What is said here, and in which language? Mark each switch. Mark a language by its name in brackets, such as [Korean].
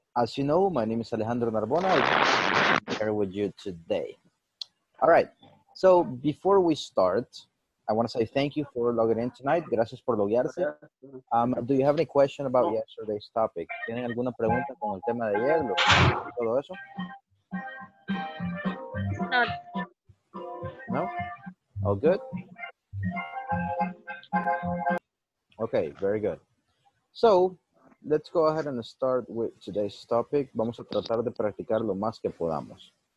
[English] As you know, my name is Alejandro Narbona. I'm here with you today. All right. So before we start, I want to say thank you for logging in tonight. [Spanish] Gracias por loguearse. [English] Do you have any question about yesterday's topic? [Spanish] ¿Tienen alguna pregunta con el tema de ayer? ¿Todo eso? No. [English] No? All good? Okay, very good. So, let's go ahead and start with today's topic. [Spanish] Vamos a tratar de practicar lo más que podamos.